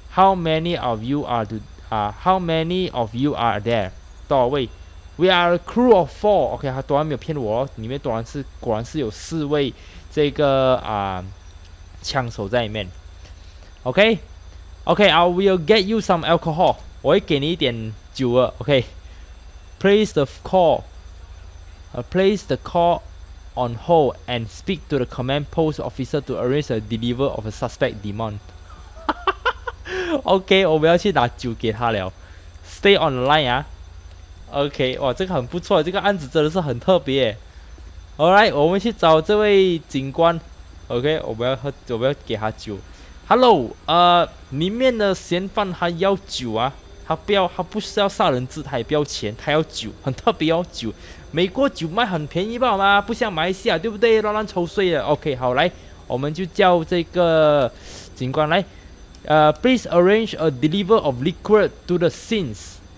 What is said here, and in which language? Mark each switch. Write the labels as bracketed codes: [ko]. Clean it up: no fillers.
[en] How many of you are to how many of you are there? [zh] 多少位 [en] ？We are a crew of four. [zh] OK， 他当然没有骗我哦，里面果然是有四位这个枪手在里面。 [en] OK，I will get you some alcohol. [zh] 我会给你一点酒了。 [en] OK， place the call on hold and speak to the command post officer to arrange the delivery of a suspect demand. [zh] OK， 我们要去拿酒给他了。 [en] Stay on the line 啊。 [zh] OK， 哇，这个很不错，这个案子真的是很特别。Alright， 我们去找这位警官。 OK， 我们要给他酒。Hello， 里面的嫌犯他要酒啊，他不是要杀人质，他也不要钱，他要酒，很特别哦，酒。美国酒卖很便宜吧嘛，不像马来西亚，对不对？乱抽税的。 OK， 好，来，我们就叫这个警官来。 [en] Please arrange a deliver of liquor to the scenes.